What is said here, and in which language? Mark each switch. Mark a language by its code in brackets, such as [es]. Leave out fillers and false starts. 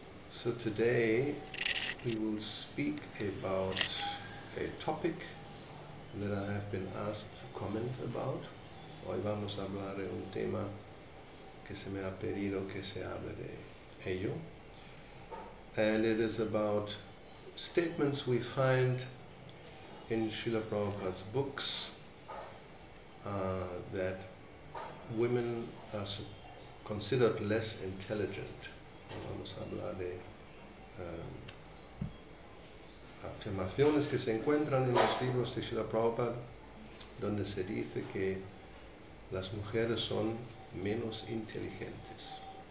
[en] So today we will speak about a topic that I have been asked to comment about. [es] Hoy vamos a hablar de un tema que se me ha pedido que se hable de ello. [en] And it is about statements we find in Srila Prabhupada's books that women are considered less intelligent. [es] Vamos a hablar de afirmaciones que se encuentran en los libros de Srila Prabhupada, donde se dice que las mujeres son menos inteligentes.